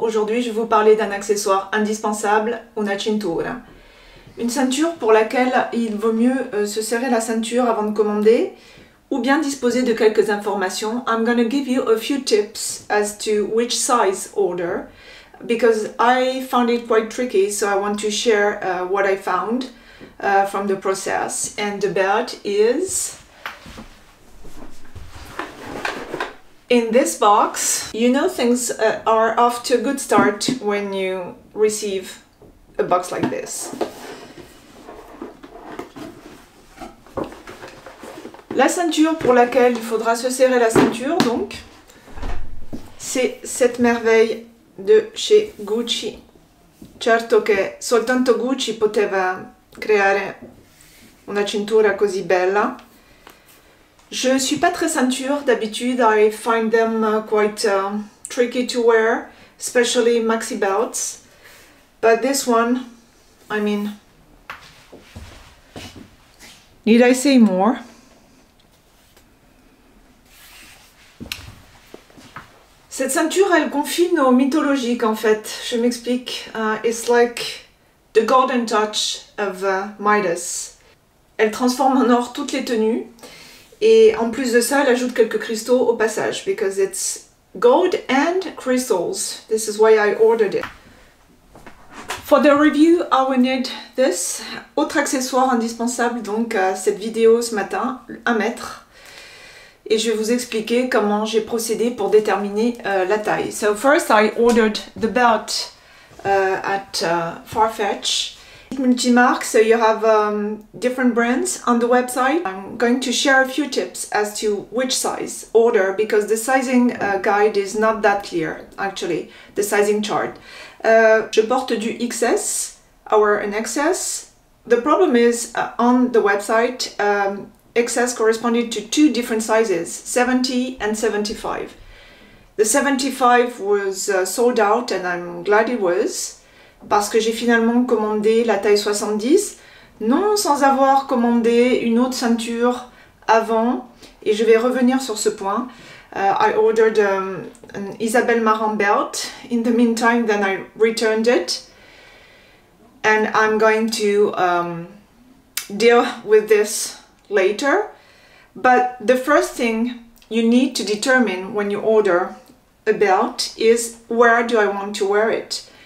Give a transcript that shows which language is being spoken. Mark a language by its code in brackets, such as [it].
[fr] Aujourd'hui, je vais vous parler d'un accessoire indispensable, [it] una cintura. [fr] Une ceinture pour laquelle il vaut mieux se serrer la ceinture avant de commander ou bien disposer de quelques informations. [en] I'm going to give you a few tips as to which size order because I found it quite tricky, so I want to share what I found from the process. And the belt is in this box. You know things are off to a good start when you receive a box like this. [fr] La ceinture pour laquelle il faudra se serrer la ceinture, donc, c'est cette merveille de chez Gucci. [it] Certo che soltanto Gucci poteva creare una cintura così bella. [fr] Je ne suis pas très ceinture d'habitude, [en] I find them quite tricky to wear, especially maxi belts. But this one, I mean, need I say more? [fr] Cette ceinture, elle confine au mythologique en fait, je m'explique. [en] It's like the golden touch of Midas. [fr] Elle transforme en or toutes les tenues. Et en plus de ça, elle ajoute quelques cristaux au passage. [en] Because it's gold and crystals. This is why I ordered it. For the review, I will need this. [fr] Autre accessoire indispensable donc à cette vidéo ce matin, un mètre. Et je vais vous expliquer comment j'ai procédé pour déterminer la taille. [en] So first I ordered the belt at Farfetch. Multi-marque, so you have different brands on the website. I'm going to share a few tips as to which size order because the sizing guide is not that clear actually, the sizing chart. [fr] Je porte du XS [en] or an XS. The problem is on the website XS corresponded to two different sizes, 70 and 75. The 75 was sold out and I'm glad it was. [fr] Parce que j'ai finalement commandé la taille 70, non sans avoir commandé une autre ceinture avant, et je vais revenir sur ce point. [en] I ordered an Isabel Marant belt in the meantime, then I returned it. And I'm going to deal with this later. But the first thing you need to determine when you order a belt is where do I want to wear it?